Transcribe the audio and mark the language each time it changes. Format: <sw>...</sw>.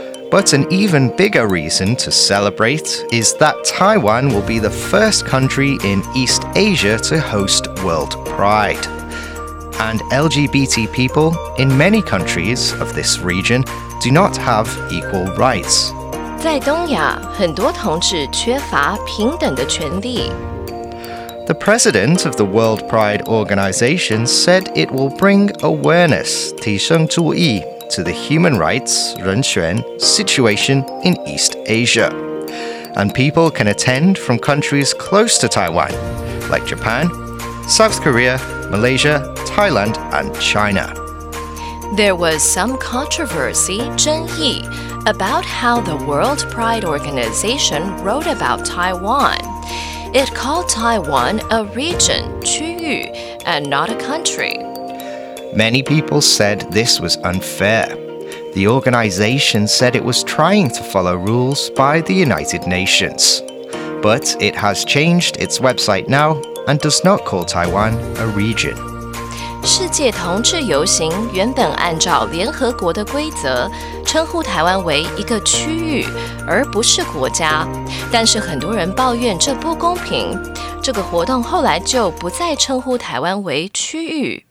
<en>But an even bigger reason to celebrate is that Taiwan will be the first country in East Asia to host World Pride. And LGBT people in many countries of this region do not have equal rights.</en> <zh>在东亚，很多同志缺乏平等的权利。</zh> <en>The president of the World Pride organization said it will bring awareness,</en> <zh>提升注意,</zh> <en>to the human rights, 人权, situation in East Asia. And people can attend from countries close to Taiwan, like Japan, South Korea, Malaysia, Thailand, and China. There was some controversy, 争议, about how the World Pride organization wrote about Taiwan. It called Taiwan a region, 区域, and not a country. Many people said this was unfair. The organization said it was trying to follow rules by the United Nations. But it has changed its website now and does not call Taiwan a region.</en> <zh>世界同志游行原本按照联合国的规则称呼台湾为一个区域而不是国家但是很多人抱怨这不公平这个活动后来就不再称呼台湾为区域</zh>